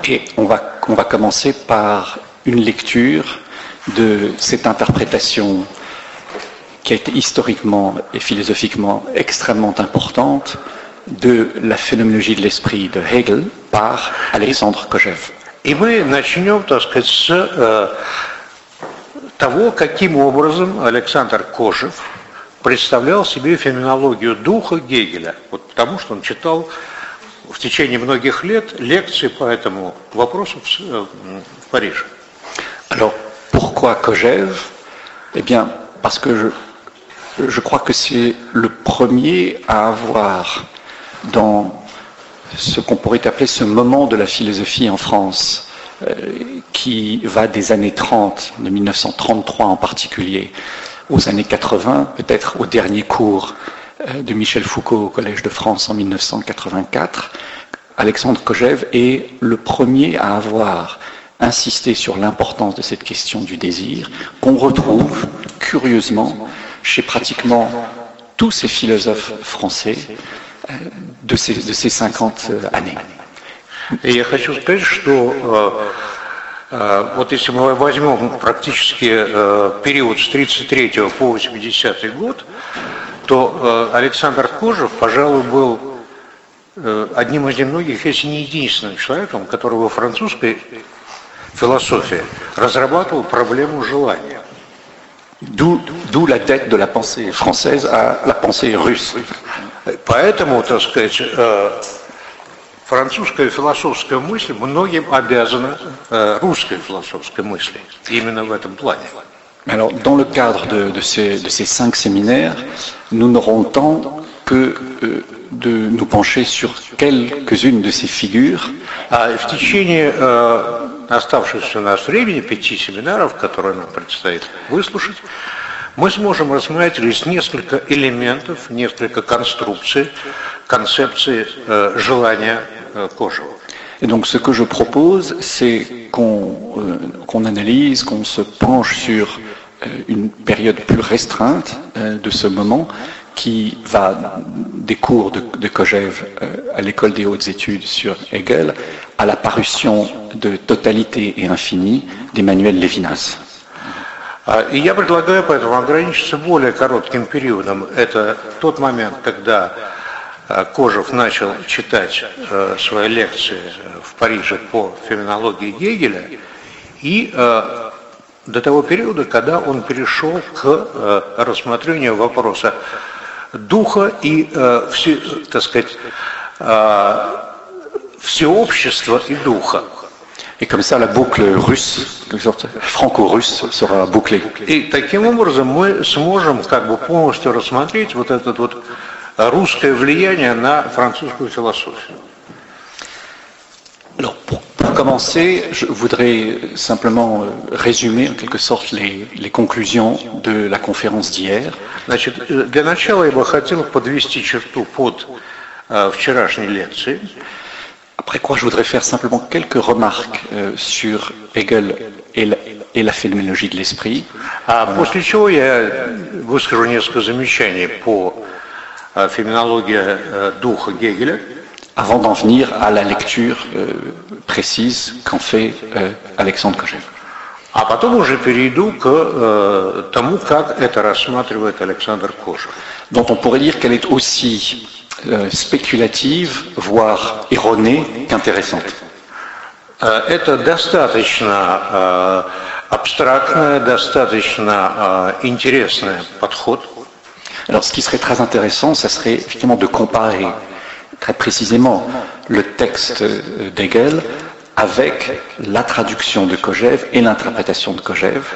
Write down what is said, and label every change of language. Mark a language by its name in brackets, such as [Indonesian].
[French] Et on va commencer par une lecture de cette interprétation qui a été historiquement et philosophiquement extrêmement importante de la phénoménologie de l'esprit de Hegel par Alexandre Kojève. [Russian] И мы начнем, так сказать, с того, каким образом Александр Кожев представлял себе феноменологию духа Гегеля. Вот потому что он читал в течение многих лет лекции по этому вопросу в Париже. [French] Alors, pourquoi Kojève? Eh bien, parce que je crois que c'est le premier à avoir dans ce qu'on pourrait appeler ce moment de la philosophie en France, qui va des années 30, de 1933 en particulier, aux années 80, peut-être au dernier cours de Michel Foucault au Collège de France en 1984, Alexandre Kojève est le premier à avoir insisté sur l'importance de cette question du désir, qu'on retrouve curieusement chez pratiquement tous ces philosophes français de ces 50 années. [Russian] И я хочу сказать, что вот если мы возьмем практически период с 1933 по 1980 год, то Александр Кожев, пожалуй, был одним из немногих, если не единственным человеком, который во французской философии разрабатывал проблему желания. [French] D'où la dette de la pensée française à la pensée russe. [Russian] Поэтому, так сказать, французская философская мысль многим обязана русской философской мысли, именно в этом плане. [French] Alors, dans le cadre de ces cinq séminaires, nous n'aurons le temps que de nous pencher sur quelques-unes de ces figures. [Russian] В течение оставшегося у нас времени, пяти семинаров, которые нам предстоит выслушать, мы сможем рассматривать несколько элементов, несколько конструкций, концепции желания Кожева. [French] Et donc ce que je propose, c'est qu'on analyse, qu'on se penche sur une période plus restreinte de ce moment qui va des cours de Kojève à l'école des hautes études sur Hegel à la parution de Totalité et Infini d'Emmanuel Lévinas. [Russian] И я предлагаю поэтому ограничиться более коротким периодом. Это тот момент, когда Кожев начал читать свои лекции в Париже по феноменологии Гегеля и до того периода, когда он перешел к рассмотрению вопроса духа и, так сказать, всеобщества и духа. [French] Et comme ça, la boucle russe, quelque sorte, franco-russe, sera bouclée. [Russian] Et таким образом мы сможем как бы полностью рассмотреть вот этот вот русское влияние на французскую философию. [French] Alors, pour commencer, je voudrais simplement résumer, en quelque sorte, les conclusions de la conférence d'hier. [Russian] Значит, для начала я бы хотел подвести черту под вчерашней лекцией. [French] Après quoi, je voudrais faire simplement quelques remarques sur Hegel et la phénoménologie de l'esprit. [Russian] После чего я выскажу несколько замечаний по феноменологии духа Гегеля. [French] Avant d'en venir à la lecture précise qu'en fait Alexandre Kojève. [Russian] А потом уже перейду к тому, как это рассматривает Александр Кожев. [French] Donc on pourrait dire qu'elle est aussi [Russian] спекулятивна, [French] voire erronée, qu'intéressante. [Russian] Это достаточно абстрактная, достаточно интересный подход. [French] Alors ce qui serait très intéressant, ça serait effectivement de comparer très précisément le texte d'Hegel avec la traduction de Kojève et l'interprétation de Kojève.